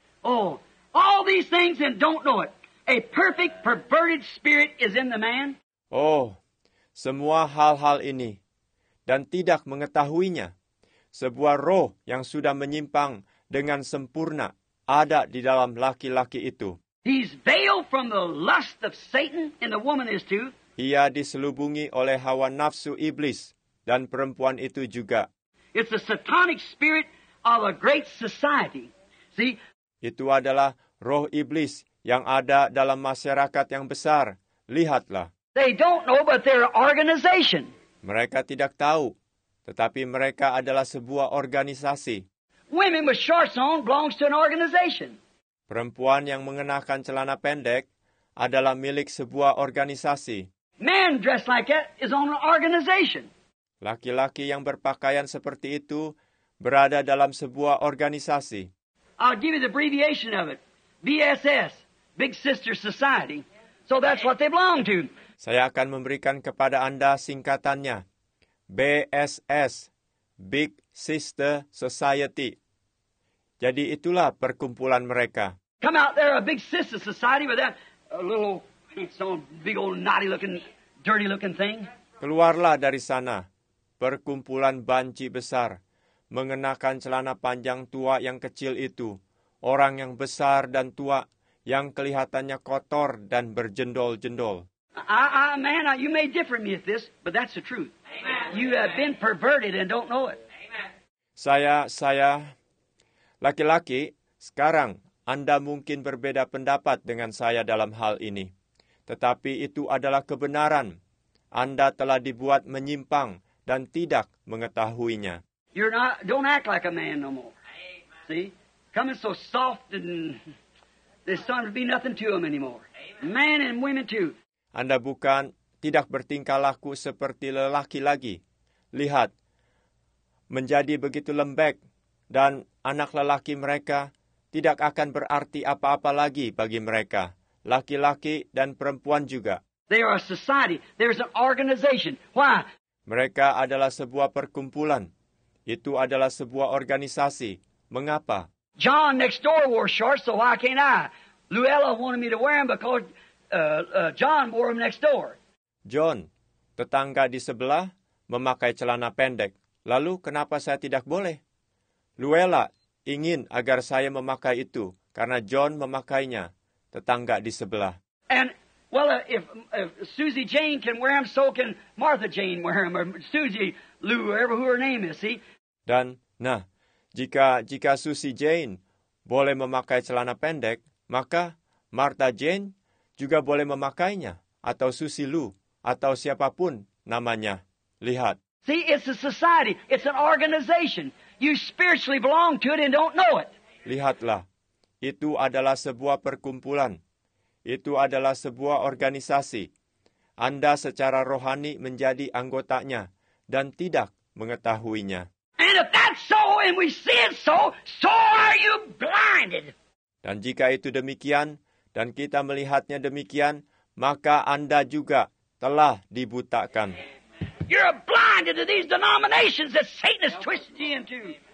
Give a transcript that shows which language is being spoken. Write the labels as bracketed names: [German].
[English] Oh, all these things and don't know it. A perfect perverted spirit is in the man. [Indonesian] Oh, semua hal-hal ini, dan tidak mengetahuinya, sebuah roh yang sudah menyimpang dengan sempurna ada di dalam laki-laki itu. [English] He's veiled from the lust of Satan, and the woman is too. [Indonesian] Ia diselubungi oleh hawa nafsu iblis, dan perempuan itu juga. [English] It's the satanic spirit of a great society. See? [Indonesian] Itu adalah roh iblis yang ada dalam masyarakat yang besar. Lihatlah. [English] They don't know, but they're an organization. [Indonesian] Mereka tidak tahu, tetapi mereka adalah sebuah organisasi. [English] Women with shorts on belongs to an organization. [Indonesian] Perempuan yang mengenakan celana pendek adalah milik sebuah organisasi. [English] Men dressed like that is on an organization. [Indonesian] Laki-laki yang berpakaian seperti itu berada dalam sebuah organisasi. [English] I'll give you the abbreviation of it. BSS, Big Sister Society. So that's what they belong to. [Indonesian] Saya akan memberikan kepada Anda singkatannya. BSS, Big Sister Society. Jadi itulah perkumpulan mereka. [English] Come out there, a Big Sister Society with that little, it's all big old naughty looking, dirty looking thing. [Indonesian] Keluarlah dari sana, perkumpulan banci besar, mengenakan celana panjang tua yang kecil itu, orang yang besar dan tua, yang kelihatannya kotor dan berjendol-jendol. [English] You may differ me at this, but that's the truth. Amen. You have been perverted and don't know it. [Indonesian] Saya, laki-laki, sekarang Anda mungkin berbeda pendapat dengan saya dalam hal ini. Tetapi itu adalah kebenaran. Anda telah dibuat menyimpang dan tidak mengetahuinya. [English] You're not, don't act like a man no more. Amen. See? Coming so soft and... There's starting to be nothing to them anymore. Men and women too. [Indonesian] Anda bukan tidak bertingkah laku seperti lelaki lagi. Lihat, menjadi begitu lembek dan anak lelaki mereka tidak akan berarti apa-apa lagi bagi mereka, laki-laki dan perempuan juga. [English] They are a society. There's an organization. Why? [Indonesian] Mereka adalah sebuah perkumpulan. Itu adalah sebuah organisasi. Mengapa? [English] John next door wore shorts, so why can't I? Luella wanted me to wear them because John wore them next door. [Indonesian] John, tetangga di sebelah, memakai celana pendek. Lalu kenapa saya tidak boleh? Luella ingin agar saya memakai itu, karena John memakainya, tetangga di sebelah. [English] And well, if Susie Jane can wear them, so can Martha Jane wear them, or Susie Lou, whatever her name is, see? [Indonesian] Dan, nah, jika Susie Jane boleh memakai celana pendek, maka Martha Jane juga boleh memakainya, atau Susie Lou, atau siapapun namanya. Lihat. [English] See, it's a society. It's an organization. You spiritually belong to it and don't know it. [Indonesian] Lihatlah. Itu adalah sebuah perkumpulan. Itu adalah sebuah organisasi. Anda secara rohani menjadi anggotanya dan tidak mengetahuinya. [English] And if that's so and we see it so, so are you blinded. [Indonesian] Dan jika itu demikian dan kita melihatnya demikian, maka Anda juga telah dibutakan. [English] You're blinded to these denominations that Satan has twisted you into.